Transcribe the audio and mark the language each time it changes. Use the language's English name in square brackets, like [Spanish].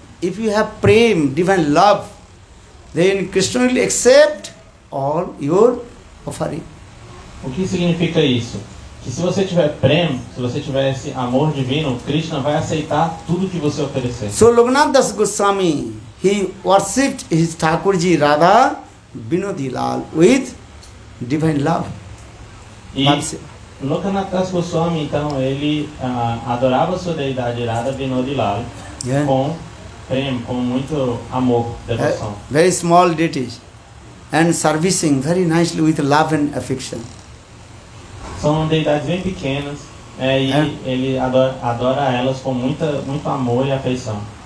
[English] If you have prem, divine love, then Krishna will accept all your offering. [Portuguese] O que significa isso? Que se você tiver prem, se você tiver esse amor divino, Krishna vai aceitar tudo que você oferecer. [English] So Loknath Das Goswami, he worshipped his Thakurji Radha Binodilal with divine love. [Portuguese] E Loknath Das Goswami, então, ele adorava sua deidade Radha Binodilal com prem, com muito amor, devoção. [English] Very small deities and servicing very nicely with love and affection. [Portuguese] São deidades bem pequenas ele adora elas com muito amor e afeição.